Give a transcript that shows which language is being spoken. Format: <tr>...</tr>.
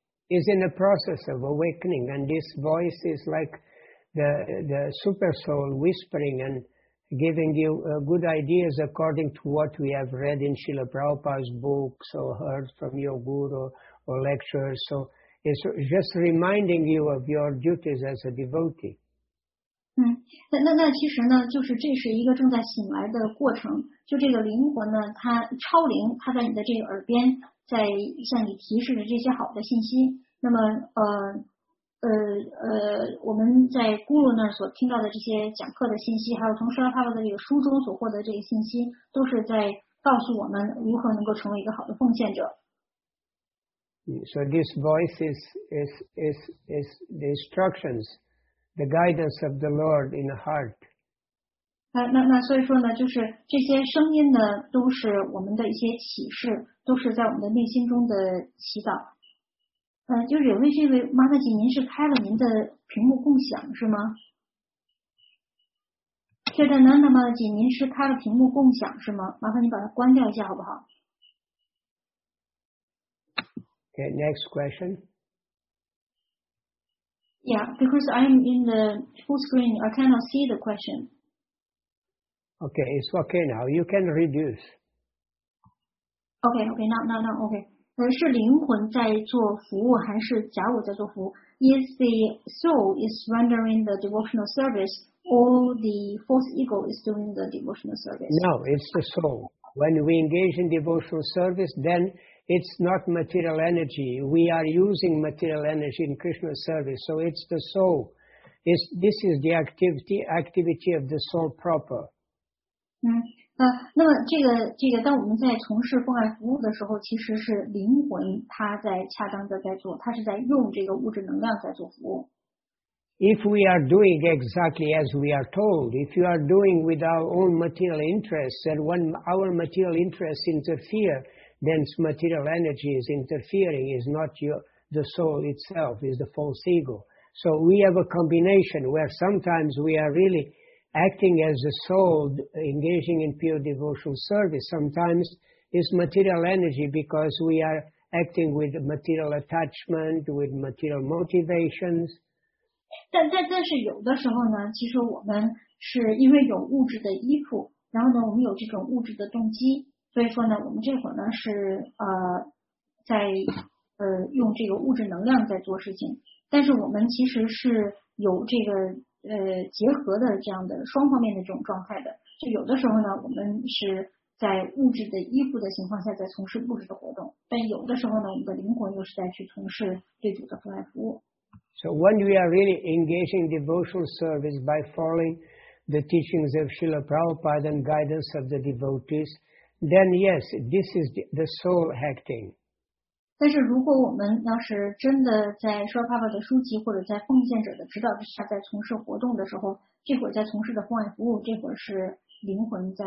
<en>Is in the process of awakening, and this voice is like the super soul whispering and giving you good ideas according to what we have read in Srila Prabhupada's books or heard from your guru or lectures. So it's just reminding you of your duties as a devotee.</en> <zh>那其实呢，就是这是一个正在醒来的过程，就这个灵魂呢，它超灵，它在你的这个耳边，在向你提示着这些好的信息。那么我们在咕噜那儿所听到的这些讲课的信息，还有从释迦帕巴的这个书中所获得的这些信息，都是在告诉我们如何能够成为一个好的奉献者。</zh> <en>So this voice is the instructions, the guidance of the Lord in the heart.</en> <zh>那所以说呢，就是这些声音呢，都是我们的一些启示，都是在我们的内心中的祈祷。就是有位这位妈妈姐，您是开了您的屏幕共享是吗？对的，那妈妈姐，您是开了屏幕共享是吗？麻烦你把它关掉一下好不好？</zh> <en>Okay, next question. Yeah, because I'm in the full screen, I cannot see the question. Okay, it's okay now. You can reduce. Okay, no, okay.</en> <zh>是灵魂在做服务还是假我在做服务？</zh> <en>Is the soul is rendering the devotional service or the false ego is doing the devotional service? No, it's the soul. When we engage in devotional service, then... It's not material energy. We are using material energy in Krishna's service. So it's the soul. This is the activity of the soul proper.</en> <zh>那么这个，当我们在从事奉爱服务的时候，其实是灵魂它在恰当的在做，它是在用这个物质能量在做服务。</zh> <en>If we are doing exactly as we are told, if you are doing with our own material interests, and when our material interests interfere,Then material energy is interfering, is not the soul itself, is the false ego. So we have a combination where sometimes we are really acting as a soul, engaging in pure devotional service. Sometimes it's material energy because we are acting with material attachment, with material motivations.</en> <zh>但是有的时候呢，其实我们是因为有物质的依附，然后呢，我们有这种物质的动机。所以说呢，我们这会儿呢是在用这个物质能量在做事情，但是我们其实是有这个结合的这样的双方面的这种状态的。就有的时候呢，我们是在物质的依附的情况下在从事物质的活动，但有的时候呢，我们的灵魂又是在去从事对主的奉爱服务。</zh> <en>So when we are really engaging devotional service by following the teachings of Srila Prabhupada and guidance of the devotees. Then yes, this is the soul acting.</en> <zh>但是如果我们要是真的在释迦牟尼的书籍或者在奉献者的指导之下在从事活动的时候，这会儿在从事的奉爱服务，这会儿是灵魂在。</zh>